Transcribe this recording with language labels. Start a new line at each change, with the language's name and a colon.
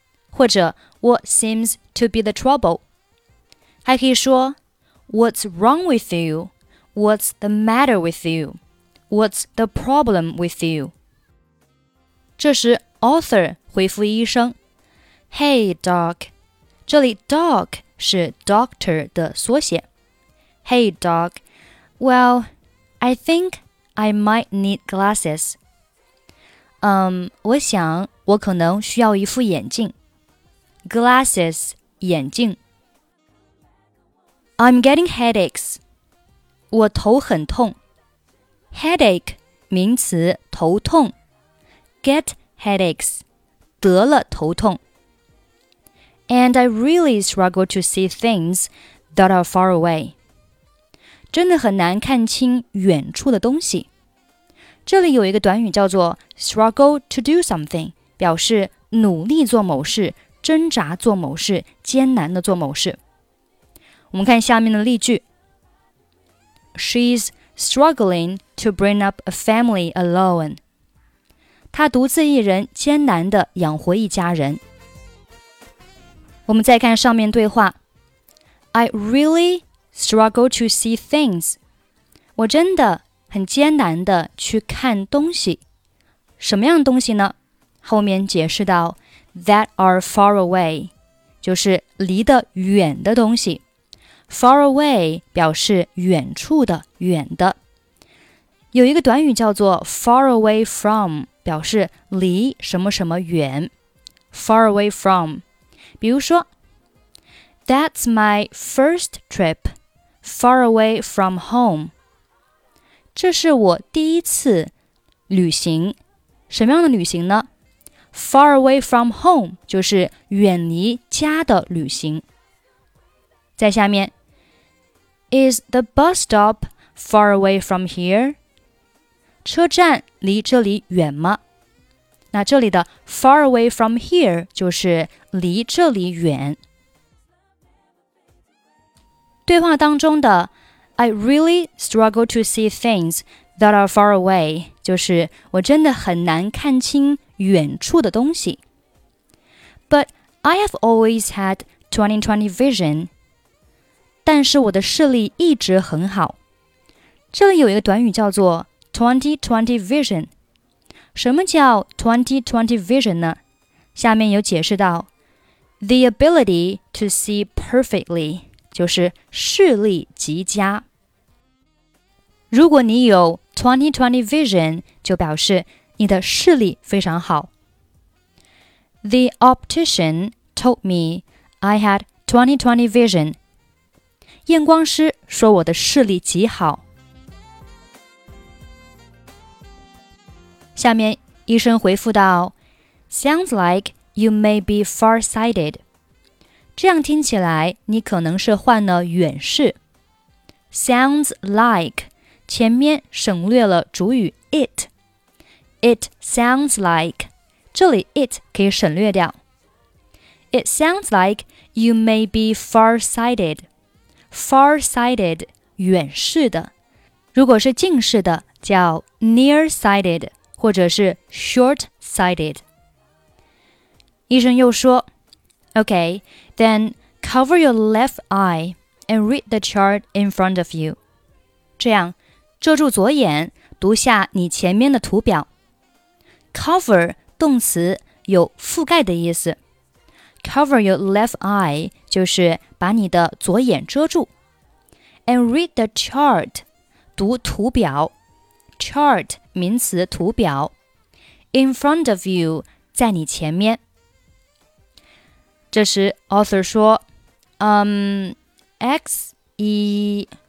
Chinese: 或者
English: What seems to be the trouble?
Chinese: 还可以说
English: What's wrong with you? What's the matter with you? What's the problem with you?
Chinese: 这时 Arthur 回复医生
English: Hey, doc.
Chinese: 这里 dog 是 doctor 的缩写。
English: Hey, dog. Well, I think I might need glasses.
Chinese: 我想我可能需要一副眼镜。
English: Glasses,
Chinese: 眼镜。
English: I'm getting headaches.
Chinese: 我头很痛。 Headache, 名词头痛。
English: Get headaches,
Chinese: 得了头痛。
English: And I really struggle to see things that are far away.
Chinese: 真的很难看清远处的东西。这里有一个短语叫做
English: struggle to do something,
Chinese: 表示努力做某事、挣扎做某事、艰难的做某事。我们看下面的例句。
English: She's struggling to bring up a family alone.
Chinese: 她独自一人艰难地养活一家人。我们再看上面对话。
English: I really struggle to see things.
Chinese: 我真的很艰难地去看东西。什么样东西呢？后面解释到
English: that are far away,
Chinese: 就是离得远的东西。 Far away 表示远处的、远的。有一个短语叫做 far away from, 表示离什么什么远。
English: Far away from.
Chinese: 比如说
English: That's my first trip far away from home.
Chinese: 这是我第一次旅行。什么样的旅行呢？
English: Far away from home
Chinese: 就是远离家的旅行。在下面
English: Is the bus stop far away from here?
Chinese: 车站离这里远吗？那这里的
English: far away from here
Chinese: 就是离这里远。对话当中的
English: I really struggle to see things that are far away
Chinese: 就是我真的很难看清远处的东西。
English: But I have always had 20-20 vision.
Chinese: 但是我的视力一直很好。这里有一个短语叫做 20-20 vision. 什么叫 20-20 vision 呢？下面有解释到
English: The ability to see perfectly
Chinese: 就是视力极佳。如果你有 20-20 vision 就表示你的视力非常好。
English: The optician told me I had 20-20 vision.
Chinese: 验光师说我的视力极好。下面医生回复道
English: Sounds like you may be far-sighted.
Chinese: 这样听起来你可能是患了远视。
English: Sounds like,
Chinese: 前面省略了主语 it。
English: It sounds like,
Chinese: 这里 it 可以省略掉。
English: It sounds like you may be far-sighted.
Chinese: Far-sighted, 远视的。如果是近视的叫 near-sighted, 或者是 short-sighted。医生又说
English: Okay, then cover your left eye and read the chart in front of you.
Chinese: 这样遮住左眼读下你前面的图表。 Cover, 动词有覆盖的意思。
English: Cover your left eye
Chinese: 就是把你的左眼遮住。
English: And read the chart,
Chinese: 读图表。 Chart, 名词图表。
English: In front of you,
Chinese: 在你前面。 这时 author 说X-E-R-3?"